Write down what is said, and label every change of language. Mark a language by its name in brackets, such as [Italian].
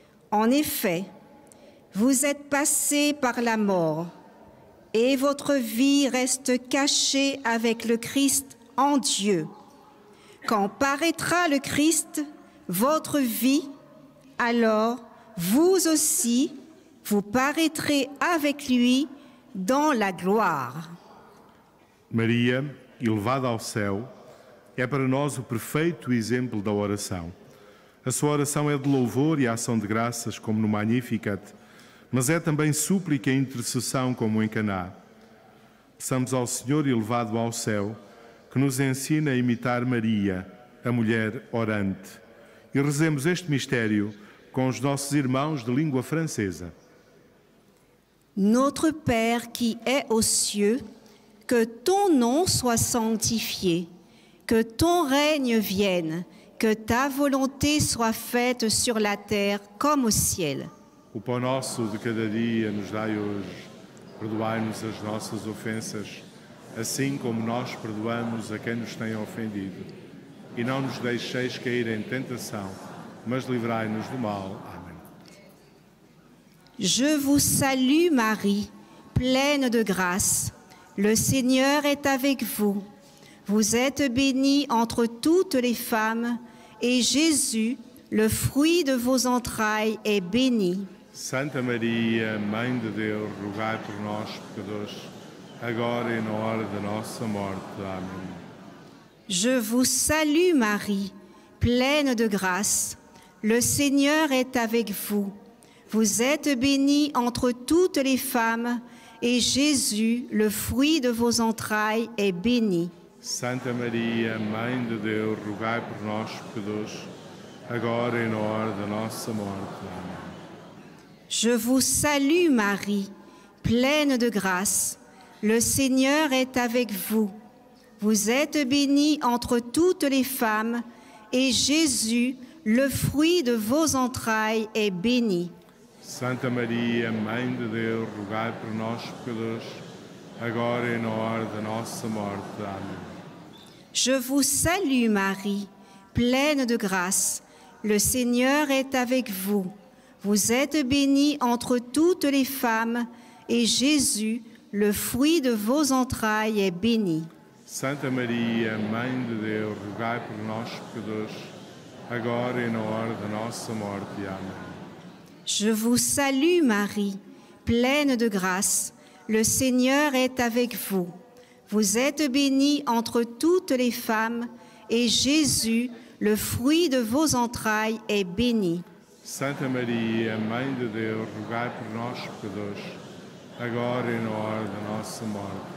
[French] En effet, vous êtes passé par la mort et votre vie reste cachée avec le Christ en Dieu. Quand paraîtra le Christ, votre vie, alors vous aussi, vous paraîtrez avec lui dans la gloire. [Portuguese] Maria, elevada ao céu, é para nós o perfeito exemplo da oração. A sua oração é de louvor e ação de graças, como no Magnificat, mas é também súplica e intercessão, como em Caná. Peçamos ao Senhor, elevado ao céu, que nos ensine a imitar Maria, a mulher orante. E rezemos este mistério com os nossos irmãos de língua francesa. [French] Notre Père, qui est aux cieux, que ton nom soit sanctifié, que ton règne vienne, que ta volonté soit faite sur la terre comme au ciel. [Portuguese] O pão nosso de cada dia nos dai hoje, perdoai-nos as nossas ofensas, assim como nós perdoamos a quem nos tem ofendido. E não nos deixeis cair em tentação, mas livrai-nos do mal. Amém. [French] Je vous salue, Marie, pleine de grâce. Le Seigneur est avec vous. Vous êtes bénie entre toutes les femmes, et Jésus, le fruit de vos entrailles, est béni. [Portuguese] Santa Maria, Mãe de Deus, rogai por nós, pecadores, agora e na hora de nossa morte. Amém. [French] Je vous salue, Marie, pleine de grâce. Le Seigneur est avec vous. Vous êtes bénie entre toutes les femmes, et Jésus, le fruit de vos entrailles, est béni. [Portuguese] Santa Maria, Mãe de Deus, rogai por nós, pecadores, agora e na hora da nossa morte. Amém. [French] Je vous salue, Marie, pleine de grâce. Le Seigneur est avec vous. Vous êtes bénie entre toutes les femmes, et Jésus, le fruit de vos entrailles, est béni. [Portuguese] Santa Maria, Mãe de Deus, rogai por nós, pecadores, agora e na hora da nossa morte. Amém. [French] Je vous salue, Marie, pleine de grâce. Le Seigneur est avec vous. Vous êtes bénie entre toutes les femmes, et Jésus, le fruit de vos entrailles, est béni. [Portuguese] Santa Maria, Mãe de Deus, rogai por nós, pecadores, agora e na hora da nossa morte. Amém. [French] Je vous salue, Marie, pleine de grâce. Le Seigneur est avec vous. Vous êtes bénie entre toutes les femmes, et Jésus, le fruit de vos entrailles, est béni. [Portuguese] Santa Maria, Mãe de Deus, rogai por nós, pecadores, agora e na hora da nossa morte.